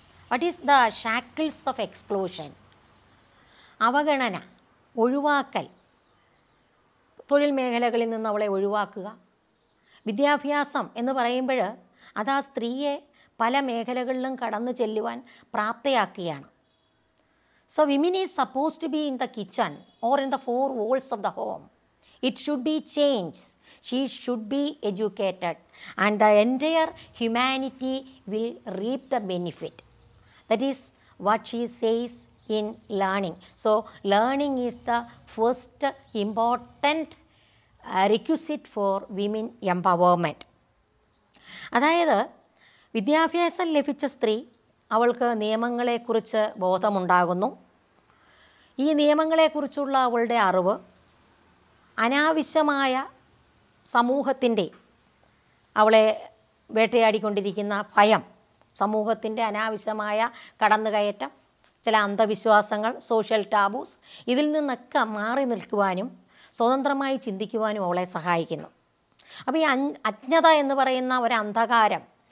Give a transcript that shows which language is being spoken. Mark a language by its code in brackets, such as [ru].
[en] What is the shackles of exclusion? [ml] അവഗണന, ഒഴിവാക്കൽ. തൊഴിൽ മേഖലകളിൽ നിന്ന് അവളെ ഒഴിവാക്കുക. വിദ്യാഭ്യാസം എന്ന് പറയുമ്പോൾ അത് ആ സ്ത്രീയെ പല മേഖലകളിലും കടന്നു ചെല്ലുവാൻ പ്രാപ്തയാക്കുകയാണ്. [en] So women is supposed to be in the kitchen or in the four walls of the home. It should be changed. She should be educated. And the entire humanity will reap the benefit. That is what she says in learning. So learning is the first important requisite for women empowerment. [ml] അതായത് വിദ്യാഭ്യാസം ലഭിച്ച സ്ത്രീ അവൾക്ക് നിയമങ്ങളെക്കുറിച്ച് ബോധമുണ്ടാകുന്നു. ഈ നിയമങ്ങളെക്കുറിച്ചുള്ള അവളുടെ അറിവ് അനാവശ്യമായ സമൂഹത്തിൻ്റെ അവളെ വേട്ടയാടിക്കൊണ്ടിരിക്കുന്ന ഭയം, സമൂഹത്തിൻ്റെ അനാവശ്യമായ കടന്നുകയറ്റം, ചില അന്ധവിശ്വാസങ്ങൾ, സോഷ്യൽ ടാബൂസ്, ഇതിൽ നിന്നൊക്കെ മാറി നിൽക്കുവാനും സ്വതന്ത്രമായി ചിന്തിക്കുവാനും അവളെ സഹായിക്കുന്നു. അപ്പോൾ ഈ അജ്ഞത എന്ന് പറയുന്ന ഒരു അന്ധകാരം